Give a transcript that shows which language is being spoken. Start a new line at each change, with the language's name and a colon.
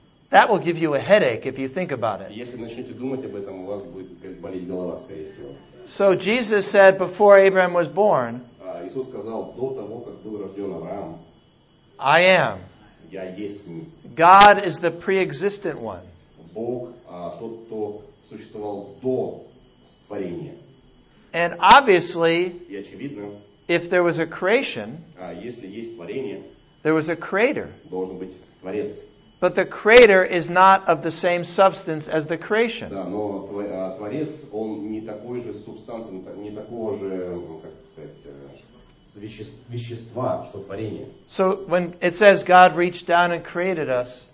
English: That will give you a headache if you think about it.
Russian: Если начнете думать об этом, у вас будет болеть голова, скорее всего.
English: So Jesus said before Abraham was born.
Russian: Иисус сказал до того, как был рожден Авраам.
English: I am.
Russian: Я есть.
English: God is the pre-existent one.
Russian: Бог тот, кто существовал до творения.
English: And obviously,
Russian: и очевидно,
English: if there was a creation,
Russian: если есть творение.
English: There was a creator.
Russian: Должен быть творец.
English: But the creator is not of the same substance as the creation.
Russian: Да, но творец, он не такой же субстанции, не такого же, как сказать, вещества, что творение.
English: So when it says God reached down and created us,